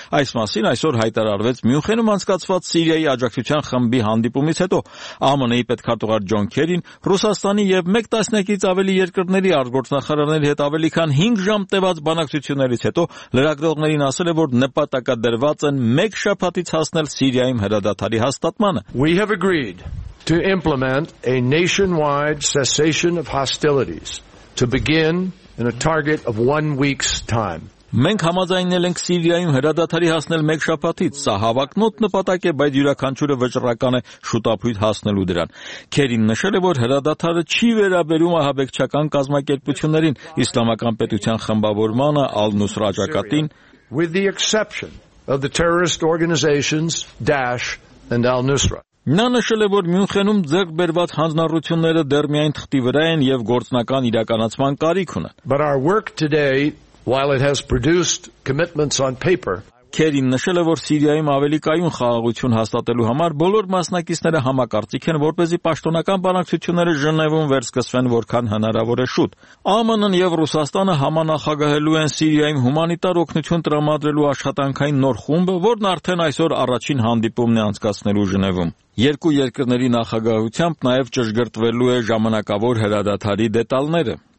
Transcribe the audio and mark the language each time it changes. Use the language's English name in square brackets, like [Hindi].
[Armenian] Այս մասին այսօր հայտարարվեց Մյունխենում անցկացված Սիրիայի աջակցության խմբի հանդիպումից հետո ԱՄՆ-ի պետքարտուղար Ջոն Քերին, Ռուսաստանի և մեկ տասնյակից ավելի երկրների արտգործնախարարների հետ ավելի քան 5 ժամ տևած բանակցություններից հետո լրագրողներին ասել է, որ նպատակադրված են մեկ շաբաթից հասնել Սիրիայում հրադադար հաստատմանը. [English] We have agreed to implement a nationwide cessation of hostilities to begin in a target of 1 week's time. [Armenian] Մենք համաձայնել ենք Սիրիայում հրադադարի հասնել մեկ շաբաթից, սա հավակնոտ նպատակ է, բայց յուրաքանչյուրը վճռական է շուտապույտ հասնելու դրան։ Քերին նշել է, որ հրադադարը չի վերաբերում ահաբեկչական կազմակերպություններին, իսլամական պետության խմբավորմանը, Ալ-Նուսրա ջակատին, [English] with the exception of the terrorist organizations Daesh and Al-Nusra. [Armenian] Նա նշել է, որ Մյունխենում ձեռք բերված հանձնառությունները դեռ միայն թղթի վրա են և գործնական իրականացման կարիք ունեն. [English] But our work today, while it has produced commitments on paper, [Armenian] Քերին նշել է, որ Սիրիայում ավելի կայուն խաղաղություն հաստատելու համար բոլոր մասնակիցները համակարծիք են, որպեսզի պաշտոնական բանակցությունները Ժնևում վերսկսվեն, որքան հնարավոր է շուտ։ ԱՄՆ-ն և Ռուսաստանը համանախագահելու են Սիրիայում հումանիտար օգնություն տրամադրելու աշխատանքային նոր խումբը, որն արդեն այսօր առաջին հանդիպումն է անցկացնելու Ժնևում։ Երկու երկրների նախագահությամբ նաև ճշգրտվելու է ժամանակավոր հրադադարի դետալները։